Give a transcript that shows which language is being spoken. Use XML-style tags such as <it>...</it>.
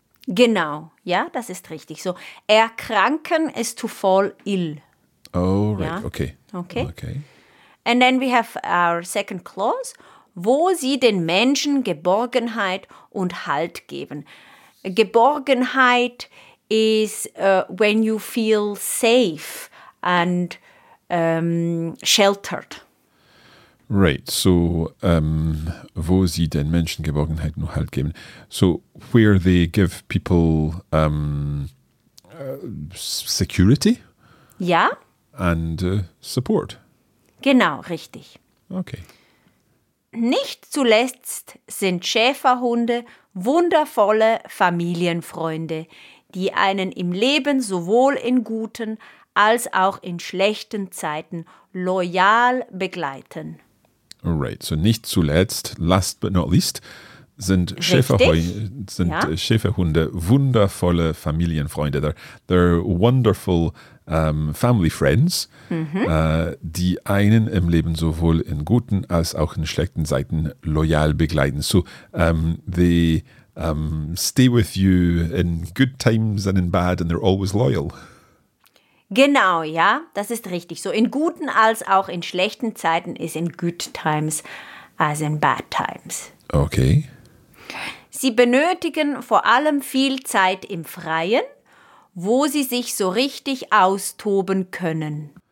<de>Genau, ja, das ist richtig.</de> <en>So, erkranken is to fall ill. Oh, right, ja. Okay. Okay. Okay. And then we have our second clause,</en> <de>wo sie den Menschen Geborgenheit und Halt geben.</de> <en>Geborgenheit is when you feel safe and sheltered. Right, so</en> <de>wo sie den Menschen Geborgenheit und Halt geben.</de> <en>So where they give people security?</en> <de>Ja.</de> <en>And support.</en> <de>Genau, richtig.</de> <en>Okay.</en> <de>Nicht zuletzt sind Schäferhunde wundervolle Familienfreunde, die einen im Leben sowohl in guten als auch in schlechten Zeiten loyal begleiten.</de> <en>Right, so</en> <de>nicht zuletzt,</de> <en>last but not least,</en> <de>Schäferhunde wundervolle Familienfreunde.</de> <en>They're wonderful family friends,</en> <de>die einen im Leben sowohl in guten als auch in schlechten Zeiten loyal begleiten.</de> <en>So they stay with you in good times and in bad and they're always loyal.</en> <de>Genau, ja, das ist richtig. So in guten als auch in schlechten Zeiten ist</de> <en>in good times as in bad times. Okay.</en> <de>Sie benötigen vor allem viel Zeit im Freien, wo sie sich so richtig austoben können.</de>